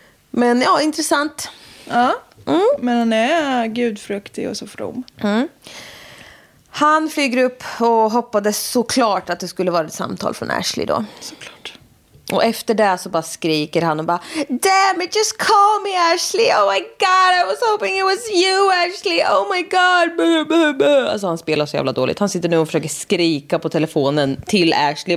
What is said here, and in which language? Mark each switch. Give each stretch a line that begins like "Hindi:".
Swedish: Men ja, intressant. Ja. Mm. Men han är gudfruktig och så from. Mm. Han flyger upp och hoppades såklart att det skulle vara ett samtal från Ashley då. Såklart. Och efter det så bara skriker han och bara,
English: damn it, just call me Ashley. Oh my god, I was hoping it was you Ashley. Oh my god.
Swedish: Alltså han spelar så jävla dåligt. Han sitter nu och försöker skrika på telefonen till Ashley.